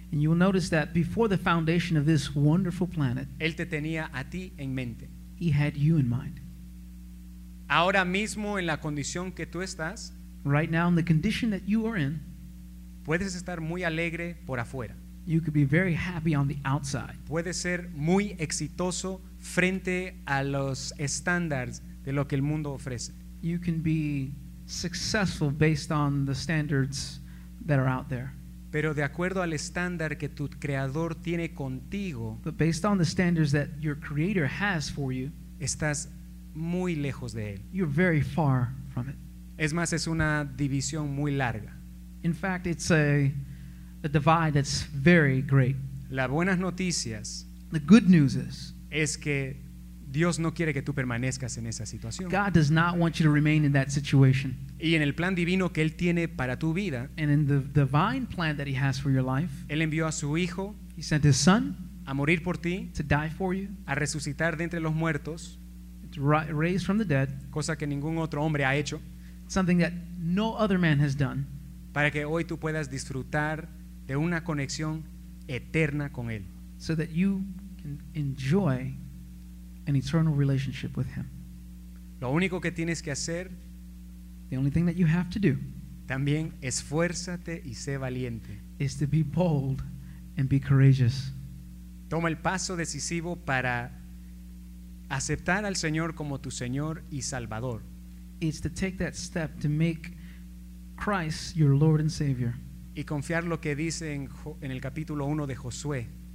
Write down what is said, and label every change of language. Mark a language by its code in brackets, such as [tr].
[en] and you will notice that before the foundation of this wonderful planet, [es] él te tenía a ti en mente. [en] He had you in mind. [es] Ahora mismo en la condición que tú estás, [en] right now in the condition that you are in, [es] puedes estar muy alegre por afuera. [en] You could be very happy on the outside. [es] Puedes ser muy exitoso frente a los estándares de lo que el mundo ofrece. [en] You can be successful based on the standards that are out there. [es] Pero de acuerdo al estándar que tu creador tiene contigo, [en] but based on the standards that your creator has for you, [es] estás muy lejos de él. [en] You're very far from it. [es] Es más, es una división muy larga. [en] In fact, it's a divide that's very great. [es] Las buenas noticias, [en] the good news is, [es] es que Dios no quiere que tú permanezcas en esa situación. [en] God does not want you to remain in that situation. [es] Y en el plan divino que Él tiene para tu vida, [en] and in the divine plan that He has for your life, [es] Él envió a su Hijo, [en] He sent His Son, [es] a morir por ti, [en] to die for you, [es] a resucitar de entre los muertos, [en] to raise from the dead, [es] cosa que ningún otro hombre ha hecho, [en] something that no other man has done, [es] para que hoy tú puedas disfrutar de una conexión eterna con Él. [en] So that you can enjoy an eternal relationship with Him. [es] Lo único que tienes que hacer, [en] the only thing that you have to do, [es] también esfuérzate y sé valiente, [en] is to be bold and be courageous. [es] Toma el paso decisivo para aceptar al Señor como tu Señor y Salvador. [en] It's to take that step to make Christ your Lord and Savior. [es] Y confiar lo que dice en el capítulo 1 de Josué.